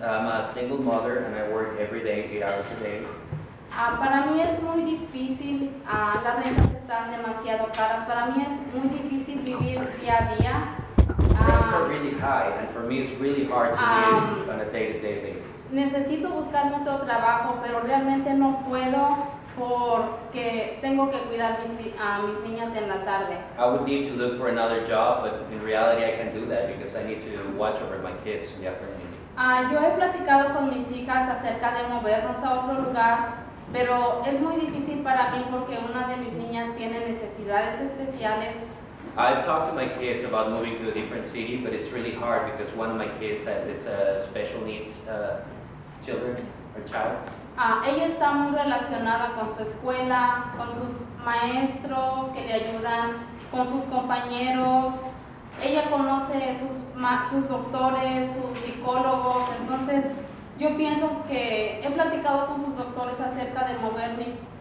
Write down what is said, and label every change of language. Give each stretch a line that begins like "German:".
English: I'm a single mother and I work every day, 8 hours a day.
Spanish: Para mí es muy difícil, las rentas están demasiado caras. Para mí es muy difícil vivir día a día.
English: Rents are really high, and for me it's really hard to live on a day-to-day basis.
Spanish: Necesito buscar otro trabajo, pero realmente no puedo porque tengo que cuidar mis niñas en la tarde.
English: I would need to look for another job, but in reality I can't do that because I need to watch over my kids in the afternoon.
Spanish: Yo he platicado con mis hijas acerca de movernos a otro lugar. Pero es muy difícil para mí porque una de mis niñas tiene necesidades especiales.
English: I've talked to my kids about moving to a different city, but it's really hard because one of my kids has special needs children or child.
Spanish: Ella está muy relacionada con su escuela, con sus maestros que le ayudan, con sus compañeros. Ella conoce sus doctores, sus psicólogos, entonces yo pienso que he platicado con sus doctores acerca de moverme.